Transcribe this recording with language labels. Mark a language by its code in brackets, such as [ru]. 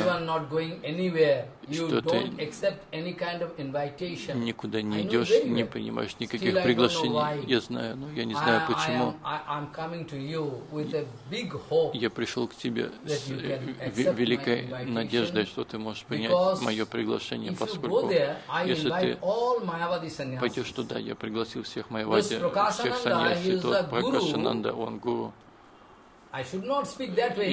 [en] you are not going anywhere, you don't accept any kind of invitation. [ru] Никуда не идешь, не принимаешь никаких приглашений. Я знаю, но я не знаю почему. [en] I'm coming to you with a big hope. [ru] Я пришел к тебе с великой надеждой, что ты можешь принять мое приглашение, поскольку если ты пойдешь туда, я пригласил всех майявади, всех саньяси. Тот Прокашананда, он гуру. [en] I should not speak that way.